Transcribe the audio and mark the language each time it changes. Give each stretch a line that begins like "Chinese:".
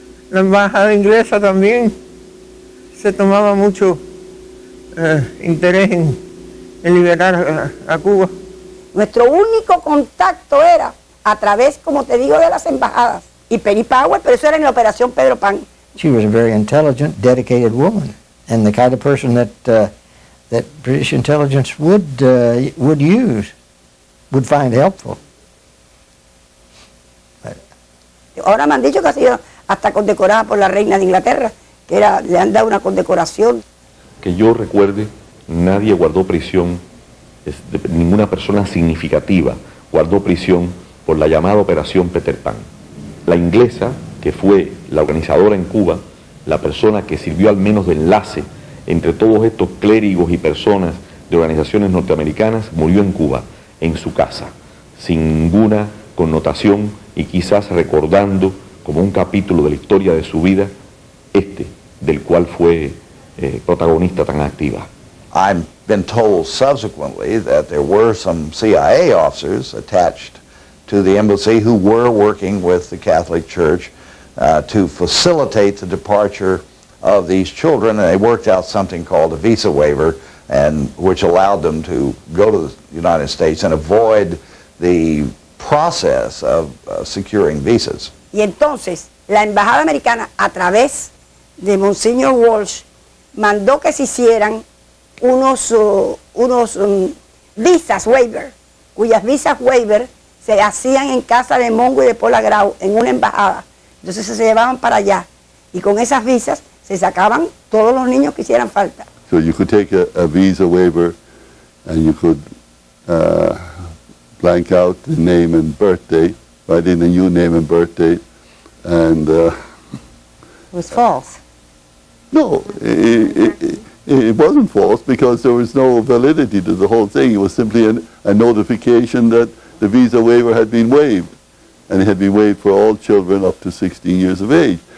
Spanish: La embajada inglesa también se tomaba mucho interés en liberar a Cuba. Nuestro único contacto era a través, como te digo, de las embajadas y Penny Power, pero eso era en la operación Pedro Pan.
English: She was a very intelligent, dedicated woman, and the kind of person that British intelligence would use, would find helpful.
Spanish: Ahora me han dicho que ha sido hasta condecorada por la reina de Inglaterra, que era, le han dado una condecoración. Que yo recuerde, nadie guardó prisión, ninguna persona significativa guardó prisión por la llamada Operación Peter Pan. La inglesa, que fue la organizadora en Cuba, la persona que sirvió al menos de enlace entre todos estos clérigos y personas de organizaciones norteamericanas, murió en Cuba, en su casa, sin ninguna connotación y quizás recordando como un capítulo de la historia de su vida, este, del cual fue protagonista tan activa.
English: I've been told subsequently that there were some CIA officers attached to the embassy who were working with the Catholic Church to facilitate the departure of these children, and they worked out something called a visa waiver, and which allowed them to go to the United States and avoid the process of securing visas.
Spanish: Y entonces la embajada americana a través de Monseñor Walsh mandó que se hicieran unos visas waiver, cuyas visas waiver se hacían en casa de Mongo y de Paula Grau en una embajada. Entonces se llevaban para allá y con esas visas se sacaban todos los niños que hicieran falta.
English: So you could take a visa waiver and you could blank out the name and birth date, write in a new name and birth date, and... It was false. No, it wasn't false because there was no validity to the whole thing. It was simply a notification that the visa waiver had been waived, and it had been waived for all children up to 16 years of age.